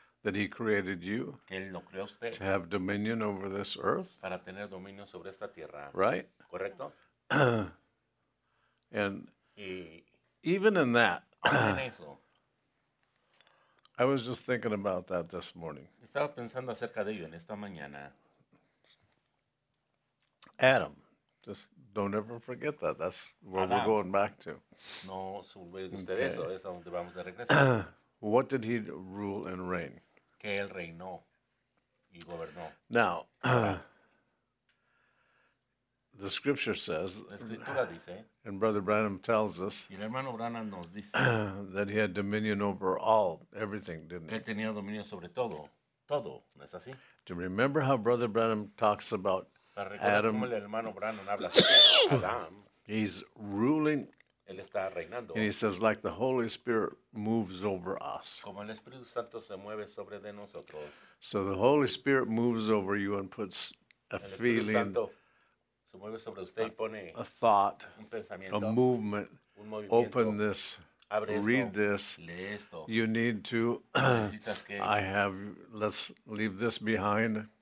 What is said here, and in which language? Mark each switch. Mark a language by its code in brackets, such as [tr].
[en] That he created you to have dominion over this earth. [es] Para tener dominio sobre esta tierra. [en] Right? [es] Correcto. [en] And even in that, I was just thinking about that this morning. [es] Estaba pensando acerca de ello en esta mañana. [en] Adam, just don't ever forget that. That's where [es] Adam, [en] we're going back to. [es] No se olvide usted okay. Eso. Es a donde vamos de regreso. [en] What did he rule and reign? [es] Que él reinó y gobernó. [en] Now, the scripture says, [es] dice, [en] and Brother Branham tells us, [es] y el hermano Branham nos dice, [en] that he had dominion over all, everything, didn't [es] que [en] he? [es] Que tenía dominio sobre todo, todo, ¿no es así? [en] Do you remember how Brother Branham talks about Adam? [es] Cómo el hermano Branham habla sobre Adam. [en] He's ruling. [es] Él está reinando. [en] And he says, like the Holy Spirit moves over us. [es] Como el Espíritu Santo se mueve sobre de nosotros. [en] So the Holy Spirit moves over you and puts a [es] el Espíritu [en] feeling, [es] Santo se mueve sobre usted y pone [en] a thought, [es] un pensamiento, [en] a movement, [es] un movimiento. [en] Open this, [es] abre esto, [en] read this. [es] Lee esto. [en] You need to, [es] necesitas que, [en] I have, let's leave this behind.